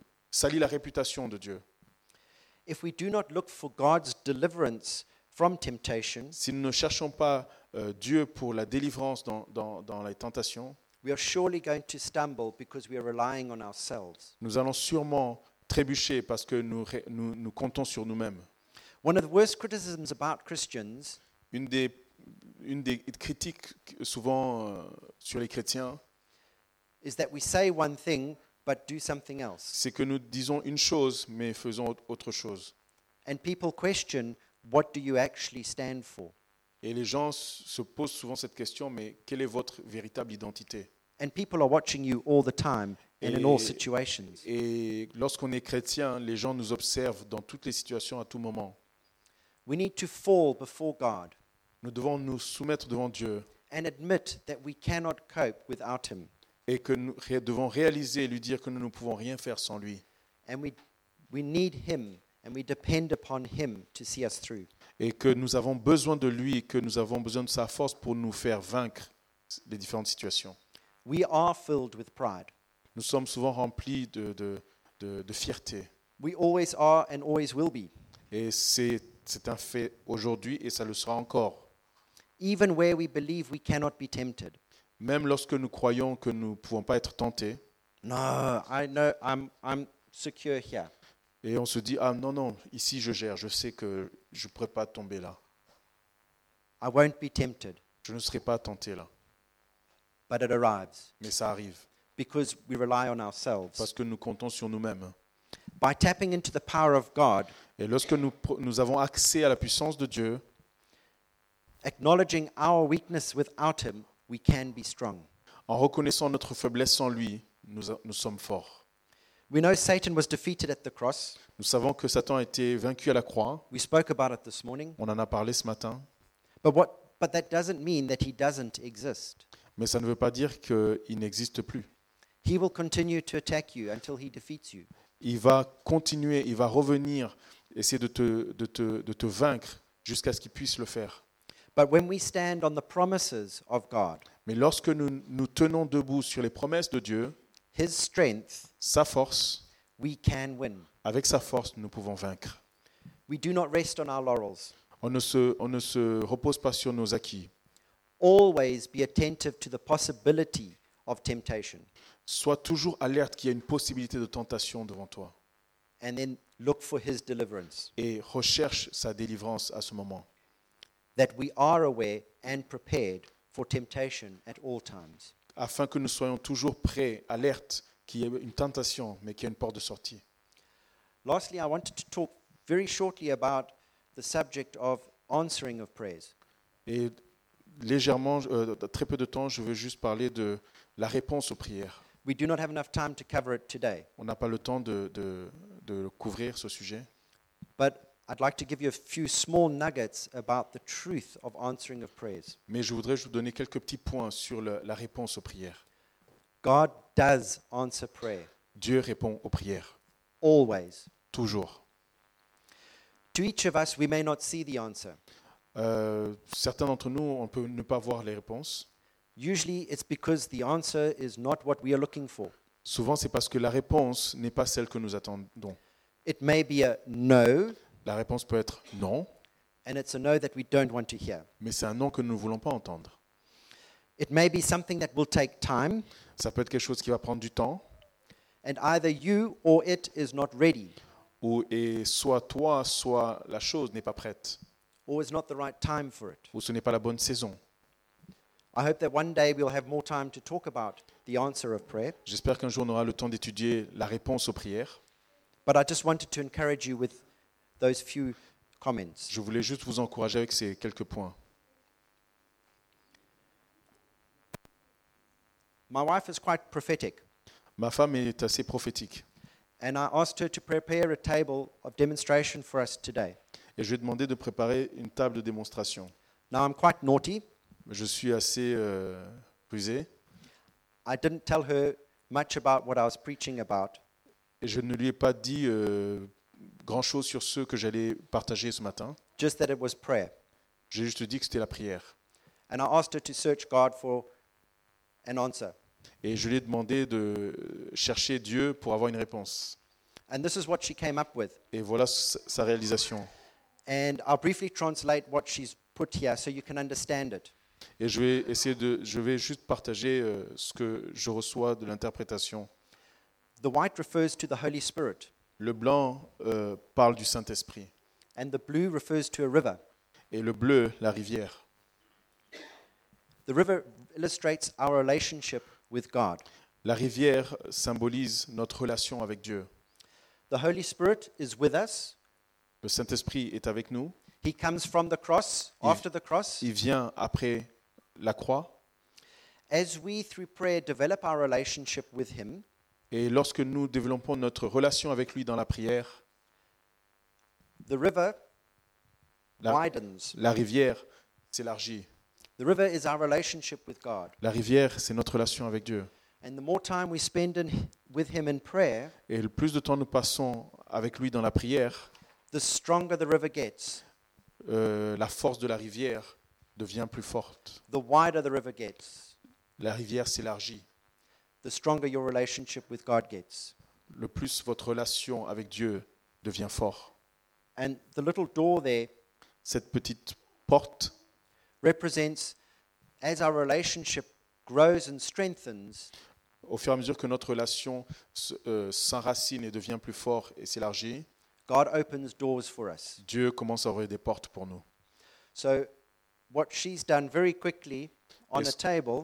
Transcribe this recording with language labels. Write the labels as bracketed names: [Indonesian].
[French] Salit la réputation de Dieu. [English] If we do not look for God's deliverance from temptation, [French] si nous ne cherchons pas Dieu pour la délivrance dans les tentations, [English] we are surely going to stumble because we are relying on ourselves. [French] Nous allons sûrement trébucher parce que nous comptons sur nous-mêmes. [English] One of the worst criticisms about Christians. [French] Une des critiques souvent sur les chrétiens. [English] Is that we say one thing but do something else. [French] C'est que nous disons une chose mais faisons autre chose. [English] And people question, what do you actually stand for? [French] Et les gens se posent souvent cette question, mais quelle est votre véritable identité? [English] And people are watching you all the time and in all situations. [French] Et lorsqu'on est chrétien, les gens nous observent dans toutes les situations à tout moment. [English] We need to fall before God. [French] Nous devons nous soumettre devant Dieu. [English] And admit that we cannot cope without him. [French] Et que nous devons réaliser et lui dire que nous ne pouvons rien faire sans lui. [English] And we need him and we depend upon him to see us through. [French] Et que nous avons besoin de lui et que nous avons besoin de sa force pour nous faire vaincre les différentes situations. [English] We are filled with pride. [French] Nous sommes souvent remplis de fierté. [English] We always are and always will be. [French] Et c'est un fait aujourd'hui et ça le sera encore. [English] Even where we believe we cannot be tempted. [French] Même lorsque nous croyons que nous ne pouvons pas être tentés. [English] No, I know, I'm secure here. [French] Et on se dit, ah non, ici je gère, je sais que je ne pourrais pas tomber là. [English] I won't be tempted. [French] Je ne serai pas tenté là. [English] But it arrives. [French] Mais ça arrive. [English] Because we rely on ourselves. [French] Parce que nous comptons sur nous-mêmes. [English] By tapping into the power of God, [French] et lorsque nous avons accès à la puissance de Dieu, [English] acknowledging our weakness without him, we can be strong. [French] En reconnaissant notre faiblesse sans lui, nous sommes forts. [English] We know Satan was defeated at the cross. [French] Nous savons que Satan a été vaincu à la croix. [English] We spoke about it this morning. [French] On en a parlé ce matin. [English] But that doesn't mean that he doesn't exist. [French] Mais ça ne veut pas dire qu'il n'existe plus. [English] He will continue to attack you until he defeats you. [French] Il va continuer, il va revenir, essayer de te vaincre jusqu'à ce qu'il puisse le faire. [English] But when we stand on the promises of God, [French] mais lorsque nous tenons debout sur les promesses de Dieu, [English] his strength, [French] sa force, [English] we can win. [French] Avec sa force, nous pouvons vaincre. [English] We do not rest on our laurels. [French] On ne se repose pas sur nos acquis. [English] Always be attentive to the possibility of temptation. [French] Sois toujours alerte qu'il y a une possibilité de tentation devant toi. [English] And then look for his deliverance. [French] Et recherche sa délivrance à ce moment. [English] That we are aware and prepared for temptation at all times. [French] Afin que nous soyons toujours prêts, alertes, qu'il y ait une tentation, mais qu'il y ait une porte de sortie. [English] Lastly, I wanted to talk very shortly about the subject of answering of prayers. [French] Et légèrement, très peu de temps, je veux juste parler de la réponse aux prières. [English] We do not have enough time to cover it today. [French] On n'a pas le temps de couvrir ce sujet. [English] But I'd like to give you a few small nuggets about the truth of answering of prayers. [French] Mais je voudrais vous donner quelques petits points sur la réponse aux prières. [English] God does answer prayer. [French] Dieu répond aux prières. [English] Always. [French] Toujours. [English] To each of us, we may not see the answer. [French] Certains d'entre nous, on peut ne pas voir les réponses. [English] Usually, it's because the answer is not what we are looking for. [French] Souvent, c'est parce que la réponse n'est pas celle que nous attendons. [English] It may be a no. [French] La réponse peut être non. [English] And it's a no that we don't want to hear. [French] Mais c'est un non que nous ne voulons pas entendre. [English] It may be something that will take time. [French] Ça peut être quelque chose qui va prendre du temps. [English] And either you or it is not ready. [French] Ou et soit toi, soit la chose n'est pas prête. [English] Or is not the right time for it. [French] Ou ce n'est pas la bonne saison. [English] I hope that one day we'll have more time to talk about the answer of prayer. [French] J'espère qu'un jour on aura le temps d'étudier la réponse aux prières. [English] But I just wanted to encourage you with those few comments. [French] Je voulais juste vous encourager avec ces quelques points. [English] My wife is quite prophetic. [French] Ma femme est assez prophétique. [English] And I asked her to prepare a table of demonstration for us today. [French] Et je lui ai demandé de préparer une table de démonstration. [English] Now I'm quite naughty. [French] Je suis assez rusé. [English] I didn't tell her much about what I was preaching about. [French] Et je ne lui ai pas dit grand-chose sur ce que j'allais partager ce matin. [English] Just that it was prayer. [French] J'ai juste dit que c'était la prière. [English] And I asked her to search God for an answer. [French] Et je lui ai demandé de chercher Dieu pour avoir une réponse. [English] And this is what she came up with. [French] Et voilà sa réalisation. [English] And I'll briefly translate what she's put here so you can understand it. [French] Et je vais juste partager ce que je reçois de l'interprétation. [English] The white refers to the Holy Spirit. [French] Le blanc parle du Saint-Esprit. [English] And the blue refers to a river. [French] Et le bleu, la rivière. [English] The river illustrates our relationship with God. [French] La rivière symbolise notre relation avec Dieu. [English] The Holy Spirit is with us. [French] Le Saint-Esprit est avec nous. [English] He comes from the cross, after the cross. [French] Il vient après la croix. [English] As we through prayer develop our relationship with him, [French] et lorsque nous développons notre relation avec lui dans la prière, [English] the river widens. [French] La rivière s'élargit. [English] The river is our relationship with God. [French] La rivière, c'est notre relation avec Dieu. [English] And the more time we spend with him in prayer, [French] et le plus de temps nous passons avec lui dans la prière, [English] the stronger the river gets. [French] La force de la rivière devient plus forte. [English] The wider the river gets. [French] La rivière s'élargit. [English] The stronger your relationship with God gets. [French] Le plus votre relation avec Dieu devient fort. [English] And the little door there, [French] cette petite porte, [English] represents as our relationship grows and strengthens, [French] au fur et à mesure que notre relation s'enracine et devient plus fort et s'élargit, [English] God opens doors for us. [French] Dieu commence à ouvrir des portes pour nous. [English] So what she's done very quickly on the table,